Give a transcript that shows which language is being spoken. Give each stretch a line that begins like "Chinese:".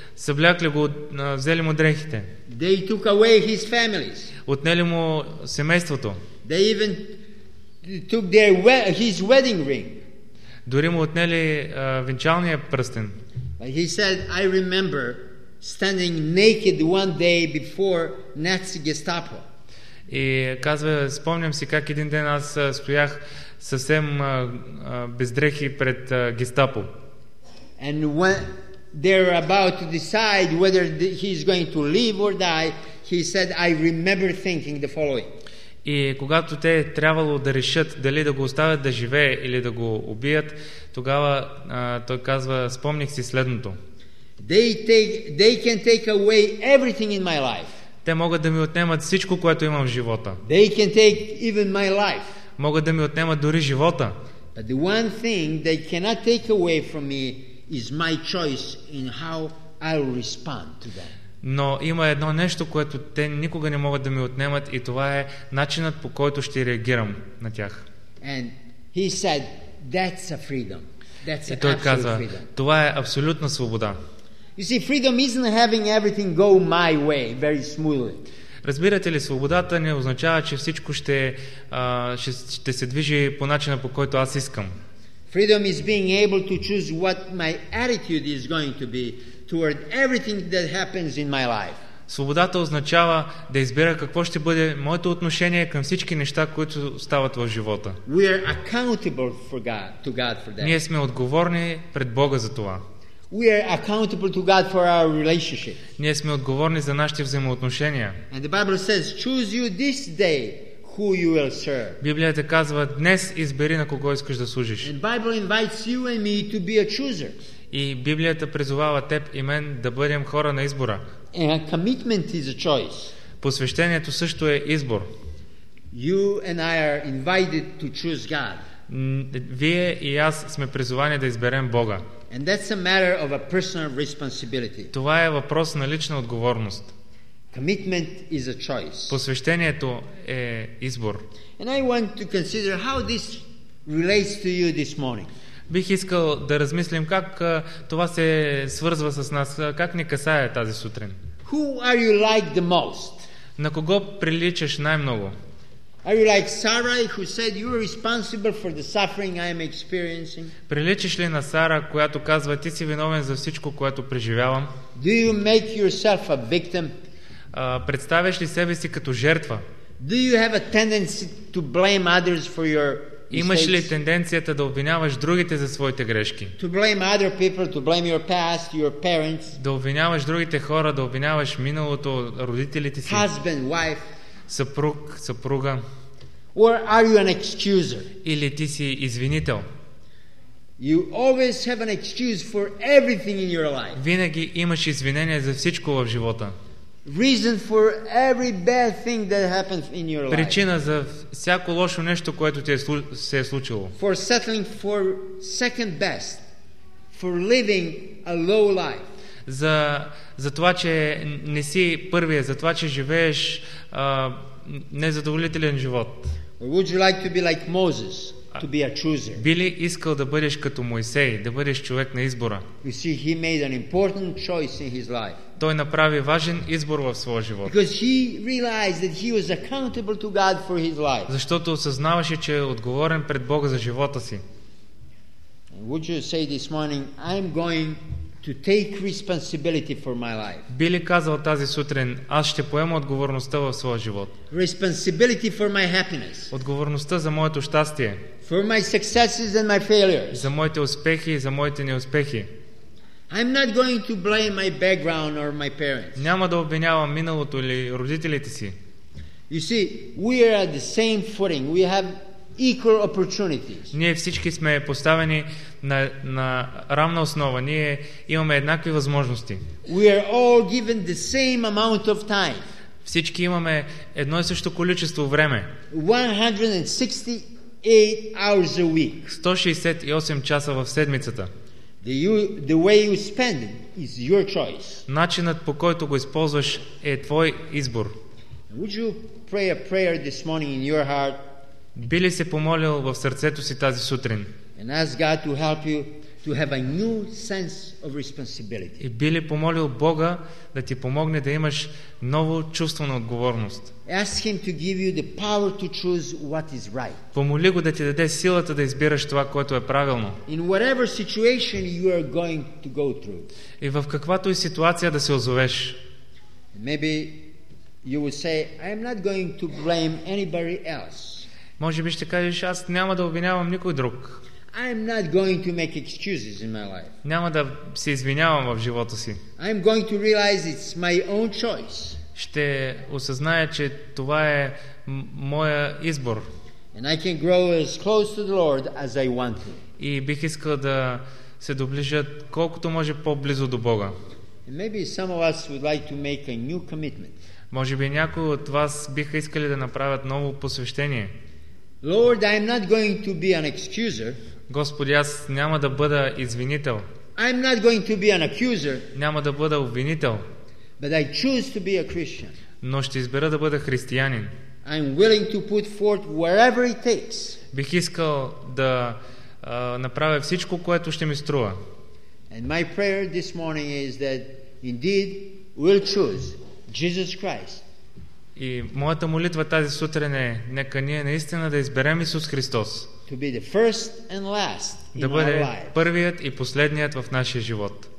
Bulgarian: Съблякли го, взели му дрехите.
English: They took away his families.
Bulgarian: Отнели му семейството.
English: They even took his wedding ring.
Bulgarian: Дори му отнели венчалния пръстен.
English: But he said, I remember standing naked one day before Nazi Gestapo.
Bulgarian: И казва, спомням си как един ден аз стоях съвсем без дрехи пред Гестапо.
English: And when they're about to decide whether he's going to live or die, he said, I remember thinking the following.
Bulgarian: И когато те трябвало да решат дали да го оставят да живее или да го убият, тогава той казва, спомних си следното.
English: They can take away everything in my life.
Bulgarian: Те могат да ми отнемат всичко, което имам в живота.
English: They can take even my life.
Bulgarian: Могат да ми отнемат дори живота.
English: But the one thing they cannot take away from me is my choice in how I respond to them.
Bulgarian: Но има едно нещо, което те никога не могат да ми отнемат, и това е начинът, по който ще реагирам на тях.
English: And he said, that's a freedom. That's
Bulgarian: и той казва,
English: freedom.
Bulgarian: Това е абсолютна свобода.
English: You see, freedom isn't having everything go my way very smoothly.
Bulgarian: Разбирате ли, свободата не означава, че всичко ще се движи по начина, по който аз искам.
English: Freedom is being able to choose what my attitude is going to be toward everything that happens in my life.
Bulgarian: Свободата означава да избира какво ще бъде моето отношение към всички неща, които стават в живота.
English: We are accountable to God for that.
Bulgarian: Ние сме отговорни пред Бога за това.
English: We are accountable to God for our relationship.
Bulgarian: Ние сме отговорни за нашите взаимоотношения.
English: And the Bible says, choose you this day who you will serve.
Bulgarian: Библията казва, днес избери на кого искаш да служиш.
English: And the Bible invites you and me to be a chooser.
Bulgarian: И Библията призовава теб и мен да бъдем хора на избора.
English: And a commitment is a choice.
Bulgarian: Посвещението също е избор.
English: You and I are invited to choose God.
Bulgarian: Вие и аз сме призовани да изберем Бога.
English: And that's a matter of a personal responsibility.
Bulgarian: Това е въпрос на лична отговорност.
English: Commitment is a choice.
Bulgarian: Посвещението е избор.
English: And I want to consider how this relates to you this morning.
Bulgarian: Бих искал да размислим как това се свързва с нас, как ни касае тази сутрин.
English: Who are you like the most?
Bulgarian: На кого приличаш най-много?
English: Are you like Sarah who said you are responsible for the suffering I am experiencing?
Bulgarian: Приличаш ли на Сара, която казва ти си виновен за всичко, което преживявам?
English: Do you make yourself a victim?
Bulgarian: Представяш ли себе си като жертва?
English: Do you have a tendency to blame others for your
Bulgarian: Имаш ли тенденцията да обвиняваш другите за своите грешки?
English: To blame other people, to blame your past, your parents.
Bulgarian: Да обвиняваш другите хора, да обвиняваш миналото, родителите си.
English: Husband, wife.
Bulgarian: Съпруг, съпруга.
English: Or are you an excuser?
Bulgarian: Или ти си извинител?
English: You always have an excuse for everything in your life.
Bulgarian: Винаги имаш извинение за всичко в живота.
English: Reason for every bad thing that happens in your life.
Bulgarian: Причина за всяко лошо нещо, което ти се е случило.
English: For settling for second best. For living a low life.
Bulgarian: За това, че не си първия, за това, че живееш незадоволителен живот.
English: Or would you like to be like Moses, to be a chooser?
Bulgarian: Би ли искал да бъдеш като Мойсей, да бъдеш човек на избора?
English: You see, he made an important choice in his life.
Bulgarian: Той направи важен избор в своя живот.
English: Because he realized that he was accountable to God for his life.
Bulgarian: Защото осъзнаваше, че е отговорен пред Бога за живота си.
English: And would you say this morning, I'm going to take responsibility for my life.
Bulgarian: Били казал тази сутрин, аз ще поема отговорността в своя живот.
English: Responsibility for my happiness.
Bulgarian: Отговорността за моето щастие.
English: For my successes and my failures.
Bulgarian: За моите успехи и за моите неуспехи.
English: I'm not going to blame my background or my parents.
Bulgarian: Няма да обвинявам миналото или родителите си.
English: You see, we are at the same footing. We have equal opportunities.
Bulgarian: Ние всички сме поставени на равна основа. Ние имаме еднакви възможности.
English: We are all given the same amount of time.
Bulgarian: Всички имаме едно и също количество време.
English: 168 hours a week.
Bulgarian: 168 часа в седмицата.
English: The way you spend it is your choice.
Bulgarian: Начинът по който го използваш е твой избор.
English: Would you pray a prayer this morning in your heart?
Bulgarian: Би ли се помолил в сърцето си тази сутрин?
English: And ask God to help you to have a new sense of responsibility.
Bulgarian: И би ли помолил Бога да ти помогне да имаш ново чувство на отговорност?
English: Ask him to give you the power to choose what is right.
Bulgarian: Помоли го да ти даде силата да избираш това, което е правилно.
English: In whatever situation you are going to go through.
Bulgarian: И в каквато и ситуация да се озовеш.
English: Maybe you will say, I am not going to blame anybody else.
Bulgarian: Може би ще кажеш, аз няма да обвинявам никой друг.
English: I'm not going to make excuses in my life.
Bulgarian: Няма да се извинявам в живота си.
English: I'm going to realize it's my own choice.
Bulgarian: Ще осъзная, че това е моя избор.
English: And I can grow as close to the Lord as I want to.
Bulgarian: И бих искал да се доближа колкото може по-близо до Бога.
English: And maybe some of us would like to make a new commitment.
Bulgarian: Може би някои от вас биха искали да направят ново посвещение.
English: Lord, I'm not going to be an excuser.
Bulgarian: Господи, аз няма да бъда извинител.
English: I'm not going to be an accuser.
Bulgarian: Няма да бъда обвинител.
English: But I choose to be a Christian.
Bulgarian: Но ще избера да бъда християнин.
English: I'm willing to put forth whatever it takes.
Bulgarian: Бих искал да направя всичко, което ще ми струва.
English: And my prayer this morning is that indeed we'll choose Jesus Christ.
Bulgarian: И моята молитва тази сутрин е, нека ние наистина да изберем Исус Христос.
English: To be the first and last
Bulgarian: да бъде първият и последният в нашия живот.